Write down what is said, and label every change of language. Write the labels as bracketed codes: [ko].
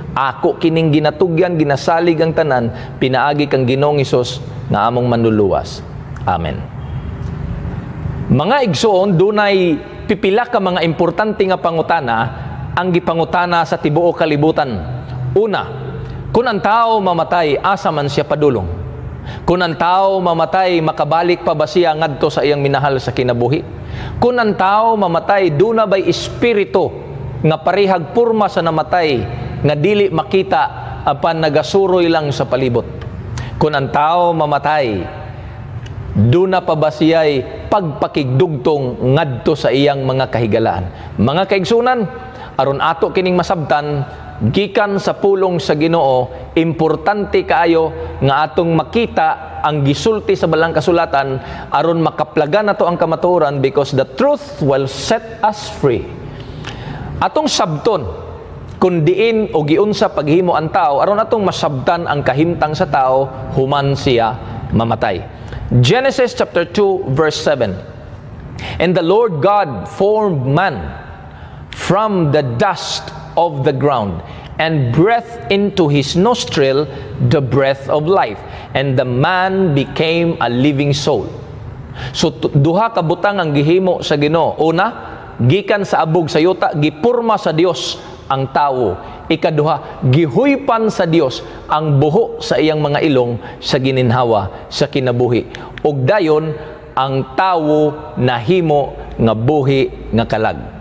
[ceb] Ako kining ginatugyan, ginasalig ang tanan, pinaagi kang Ginoong Hesus nga among manluluwas. Amen. Mga igsoon, dunay pipila ka mga importante nga pangutana ang gipangutana sa tibuok kalibutan. Una, kun ang tao mamatay, asa man siya padulong? Kun ang tao mamatay, makabalik pa ba siya ngadto sa iyang minahal sa kinabuhi? Kun ang tao mamatay, duna bay espiritu nga parehag purma sa namatay nga dili makita apan nagasuroy lang sa palibot? Kun ang tao mamatay, duna pa ba siya'y pagpakigdugtong ngadto sa iyang mga kahigalaan? Mga kaigsunan, aron ato kining masabtan, gikan sa pulong sa Ginoo, importante kaayo nga atong makita ang gisulti sa balang kasulatan aron makaplagan nato ang kamatuoran, [en] because the truth will set us free. [ceb] Atong sabton, kun diin o giunsa paghimo ang tao, aron atong masabtan ang kahimtang sa tao human siya mamatay. [en] Genesis chapter 2 verse 7. And the Lord God formed man from the dust of the ground and breathed into his nostril the breath of life, and the man became a living soul. [ceb] So duha ka butang ang gihimo sa Ginoo. Una, gikan sa abog sa yuta, gipurma sa Dios ang tao. Ikaduha, gihuypan sa Dios ang buho sa iyang mga ilong sa gininhawa sa kinabuhi. Ug dayon ang tawo nahimo nga buhi nga kalag.